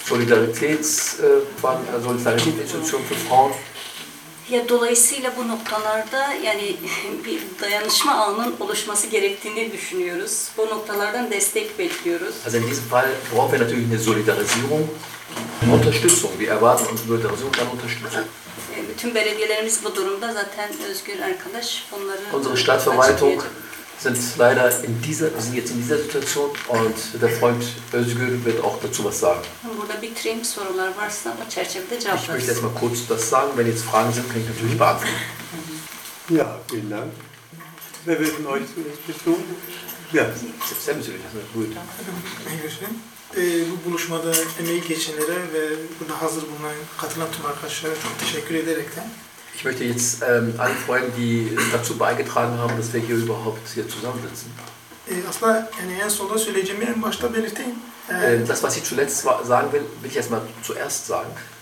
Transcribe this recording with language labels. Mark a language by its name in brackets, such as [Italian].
[German] Kulturzentrum, Solidaritätsinstitution für Frauen. [Turkish] Ya dolayısıyla bu noktalarda yani bir dayanışma ağının oluşması gerektiğini düşünüyoruz. Bu noktalardan destek bekliyoruz. [German] Also in diesem Fall brauchen wir natürlich eine Solidarisierung, Unterstützung. Wir erwarten uns Solidarisierung, dann Unterstützung. [Turkish] Bütün belediyelerimiz bu durumda zaten Özgür arkadaş bunları. [German] Unsere Stadtverwaltung sind leider in dieser, wir sind jetzt in dieser Situation und der Freund Özgür wird auch dazu was sagen. [Turkish] Burada bitireyim, sorular varsa o çerçevede cevaplarız. [German] Ich möchte jetzt mal kurz das sagen, wenn jetzt Fragen sind, kann ich natürlich beantworten. Ja, vielen Dank. Wer wird von euch zuerst tun? Ja, selbstverständlich. [Turkish] Buyurun. Bu buluşmada emeği geçenlere ve burada hazır bulunan katılan tüm arkadaşlara çok teşekkür ederekten. [German] Ich möchte jetzt allen Freunden, die dazu beigetragen haben, dass wir hier überhaupt hier zusammensitzen. [Turkish] Aslında yani en sonda söyleyeceğimi en başta belirteyim. [German] Das, was ich zuletzt sagen will, will ich erstmal zuerst sagen.